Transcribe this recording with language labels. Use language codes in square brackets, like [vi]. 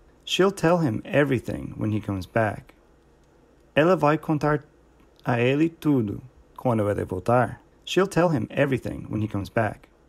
[en] She'll tell him everything when he comes back. [pt] Ela vai contar a ele tudo quando ele voltar. [en] She'll tell him everything when he comes back.